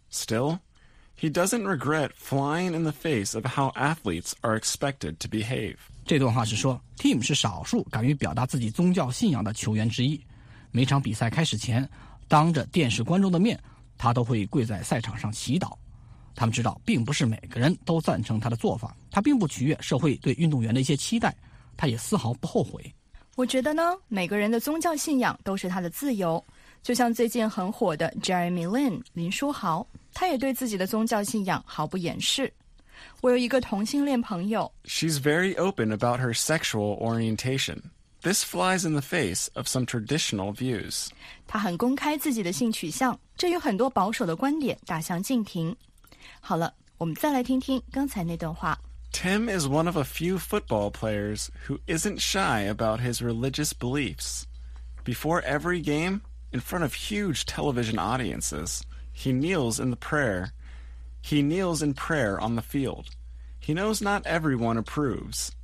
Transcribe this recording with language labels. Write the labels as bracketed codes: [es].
[en] Still, he doesn't regret flying in the face of how athletes are expected to behave. [zh] 这段话是说 ,Tim 是少数敢于表达自己宗教信仰的球员之一。每场比赛开始前，当着电视观众的面，他都会跪在赛场上祈祷。他们知道并不是每个人都赞成他的做法，他并不取悦社会对运动员的一些期待，他也丝毫不后悔。我觉得呢，每个人的宗教信仰都是他的自由。就像最近很火的 Jeremy Lin, 林书豪，他也对自己的宗教信仰毫不掩饰。我有一个同性恋朋友。 [en] She's very open about her sexual orientation. This flies in the face of some traditional views. [zh] 她很公开自己的性取向，这与很多保守的观点大相径庭。好了，我们再来听听刚才那段话。 [en] Tim is one of a few football players who isn't shy about his religious beliefs. Before every game, in front of huge television audiences, he kneels in prayer on the field. He knows not everyone approves.